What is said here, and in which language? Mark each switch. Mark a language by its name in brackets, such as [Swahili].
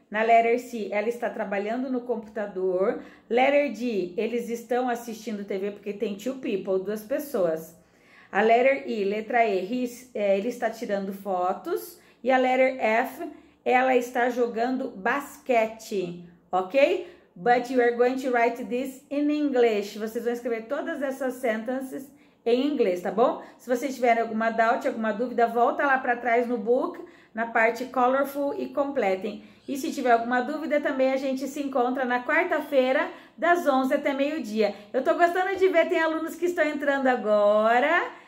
[Portuguese] Na letter C, ela está trabalhando no computador. Letter D, eles estão assistindo TV porque tem [English] two people, [Portuguese] duas pessoas. A letter E, letra E, ele está tirando fotos. E a letter F, ela está jogando basquete, ok? [English] But you are going to write this in English. [Portuguese] Vocês vão escrever todas essas sentences em inglês, tá bom? Se vocês tiverem alguma doubt, alguma dúvida, volta lá para trás no book, na parte colorful e completem. E se tiver alguma dúvida, também a gente se encontra na quarta-feira, das 11 até meio-dia. Eu tô gostando de ver, tem alunos que estão entrando agora.